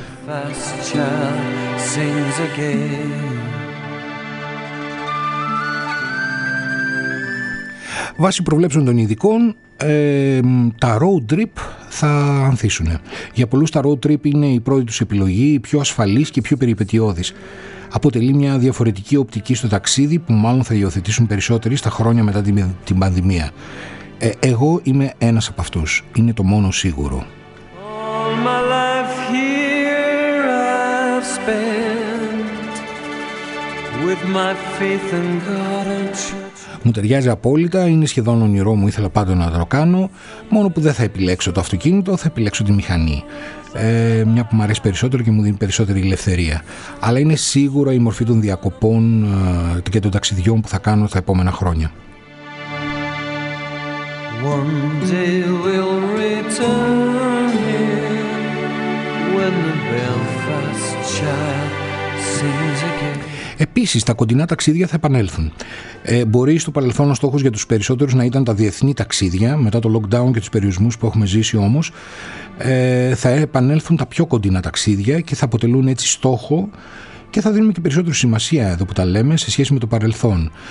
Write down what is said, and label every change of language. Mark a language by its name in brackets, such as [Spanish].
[English] Belfast Child sings again. [Greek] Βάσει προβλέψεων των ειδικών, τα road trip θα ανθίσουν. Για πολλούς τα road trip είναι η πρώτη τους επιλογή, η πιο ασφαλής και πιο περιπετειώδης. Αποτελεί μια διαφορετική οπτική στο ταξίδι που μάλλον θα υιοθετήσουν περισσότεροι στα χρόνια μετά την πανδημία. Εγώ είμαι ένας από αυτούς. Είναι το μόνο σίγουρο. [English] All my life here I've spent with my faith in God and truth. [Greek] Μου ταιριάζει απόλυτα, είναι σχεδόν ονειρό μου, ήθελα πάντα να το κάνω. Μόνο που δεν θα επιλέξω το αυτοκίνητο, θα επιλέξω τη μηχανή. Μια που μου αρέσει περισσότερο και μου δίνει περισσότερη ελευθερία. Αλλά είναι σίγουρα η μορφή των διακοπών και των ταξιδιών που θα κάνω τα επόμενα χρόνια. [English] One day we'll return here when the Belfast child sings again. [Greek] Επίσης, τα κοντινά ταξίδια θα επανέλθουν. Μπορεί στο παρελθόν ο στόχος για τους περισσότερους να ήταν τα διεθνή ταξίδια, μετά το lockdown και τους περιορισμούς που έχουμε ζήσει όμως, θα επανέλθουν τα πιο κοντινά ταξίδια και θα αποτελούν έτσι στόχο και θα δίνουμε και περισσότερη σημασία εδώ που τα λέμε σε σχέση με το παρελθόν.